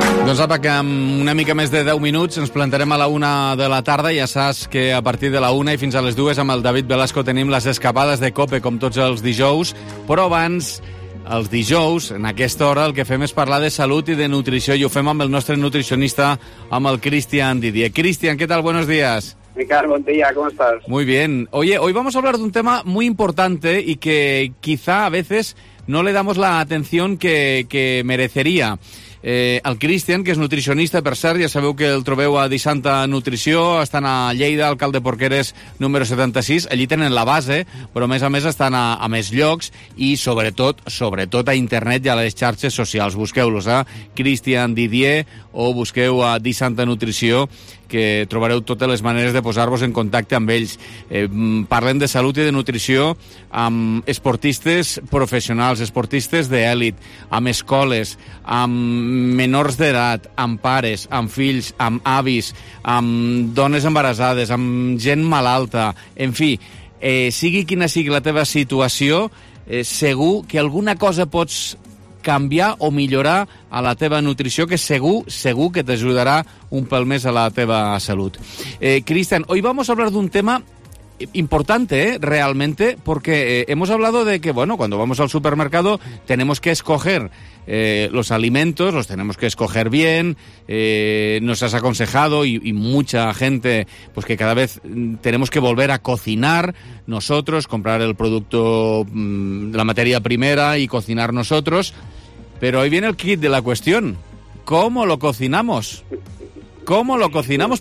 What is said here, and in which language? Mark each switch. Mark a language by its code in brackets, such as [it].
[ca] Doncs apa, que amb una mica més de 10 minuts ens plantarem a la 1 de la tarda. Ja saps que a partir de la 1 i fins a les 2 amb el David Velasco tenim les escapades de COPE, com tots els dijous. Però abans, els dijous, en aquesta hora, el que fem és parlar de salut i de nutrició, i ho fem amb el nostre nutricionista, amb el Cristian Didier. Cristian, què tal? [es] Buenos días. Ricardo, buen día, ¿cómo estás? Muy bien. Oye, hoy vamos a hablar de un tema muy importante y que quizá a veces no le damos la atención que merecería. [ca] El Cristian, que és nutricionista, per cert, ja sabeu que el trobeu a Disanta Nutrició, estan a Lleida, alcalde Porqueres, número 76, allí tenen la base, però a més estan a més llocs i sobretot a internet i a les xarxes socials. Busqueu-los a Cristian Didier o busqueu a Disanta Nutrició, que trobareu totes les maneres de posar-vos en contacte amb ells. Parlem de salut i de nutrició amb esportistes professionals, esportistes d'èlit, amb escoles, amb menors d'edat, amb pares, amb fills, amb avis, amb dones embarassades, amb gent malalta, en fi, sigui quina sigui la teva situació, segur que alguna cosa pots canviar o millorar a la teva nutrició, que segur que t'ajudarà un pèl més a la teva salut. [es] Cristian, hoy vamos a hablar de un tema importante, realmente, porque hemos hablado de que, bueno, cuando vamos al supermercado tenemos que escoger los alimentos, los tenemos que escoger bien, nos has aconsejado y mucha gente, pues que cada vez tenemos que volver a cocinar nosotros, comprar el producto, la materia primera y cocinar nosotros, pero hoy viene el kit de la cuestión, ¿cómo lo cocinamos? ¿Cómo lo cocinamos?